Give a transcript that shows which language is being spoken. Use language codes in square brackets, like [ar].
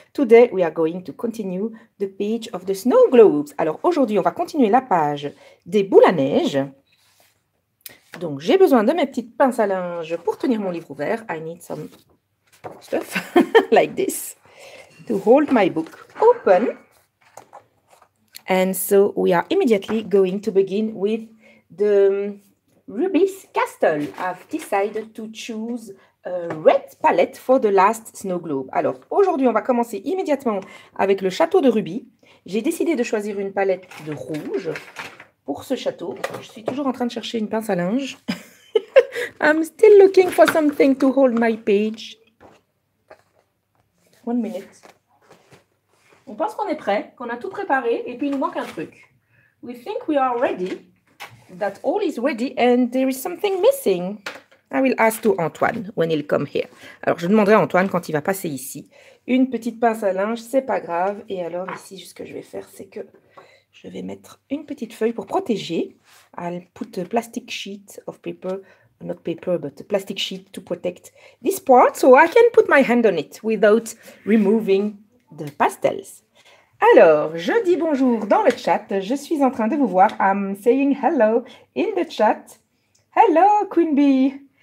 [en] Today, we are going to continue the page of the snow globes. [fr] Alors aujourd'hui, on va continuer la page des boules à neige. Donc j'ai besoin de mes petites pinces à linge pour tenir mon livre ouvert. [en] I need some stuff like this to hold my book open. And so we are immediately going to begin with the Ruby's Castle. I've decided to choose a red palette for the last snow globe. [fr] Alors, aujourd'hui, on va commencer immédiatement avec le château de Ruby. J'ai décidé de choisir une palette de rouge pour ce château. Je suis toujours en train de chercher une pince à linge. [en] I'm still looking for something to hold my page. One minute. [fr] On pense qu'on est prêt, qu'on a tout préparé et puis il nous manque un truc. [en] We think we are ready. That all is ready and there is something missing. I will ask to Antoine when he'll come here. [fr] Alors, je demanderai à Antoine quand il va passer ici. Une petite pince à linge, c'est pas grave. Et alors, ici, ce que je vais faire, c'est que je vais mettre une petite feuille pour protéger. [en] I'll put a plastic sheet of paper, not paper, but a plastic sheet to protect this part so I can put my hand on it without removing the pastels. [fr] Alors, je dis bonjour dans le chat. Je suis en train de vous voir. [en] I'm saying hello in the chat. Hello, Queen Bee.